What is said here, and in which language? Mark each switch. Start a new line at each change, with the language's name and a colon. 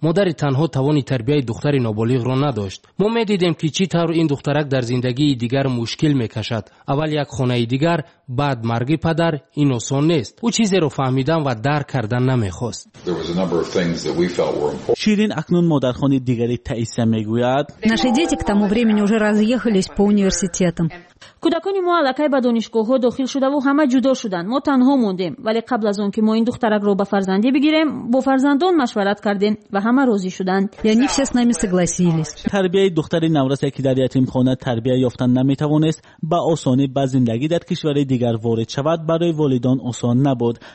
Persian: مادر تنها توانی تربیت دختر نابالغ را نداشت. ما می دیدیم که چی طور این دخترک در زندگی دیگر مشکل میکشد. اول یک خانه دیگر، بعد مرگ پدر، این آسان نیست. او چیزی رو فهمیدن و درک کردن نمیخواست. شیرین اکنون مادرخوان دیگری تائیسه میگوید:
Russian: наши дети к тому времени уже разъехались по университетам.
Persian: کودکان ما علاقه به دانشگاه ها داخل شده و همه جدا شدن. ما تنها موندیم، ولی قبل از اون که ما این دخترک رو به فرزندی بگیریم با فرزندان مشورت کردیم و همه راضی شدند.
Russian: یعنی все с нами согласились.
Persian: تربیه دختر نورسه که در یتیمخانه تربیه یافتن نمیتوانست با آسانی به زندگی در کشور دیگر وارد شود برای والدان آسان نبود.